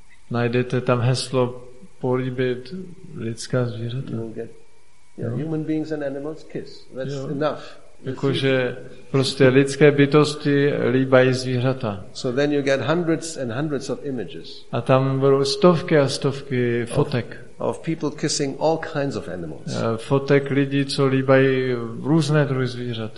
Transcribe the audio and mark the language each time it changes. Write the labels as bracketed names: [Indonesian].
[Czech] Najdete tam heslo políbit lidská zvířata. [English] You get, yeah, human beings and animals kiss. That's enough. [Czech] Jakože prostě lidské bytosti líbají zvířata. [English] So then you get hundreds and hundreds of images. [Czech] A tam budou stovky a stovky fotek. [English] Of people kissing all kinds of animals. [Czech] Fotek lidí, co líbají různé druhy zvířat.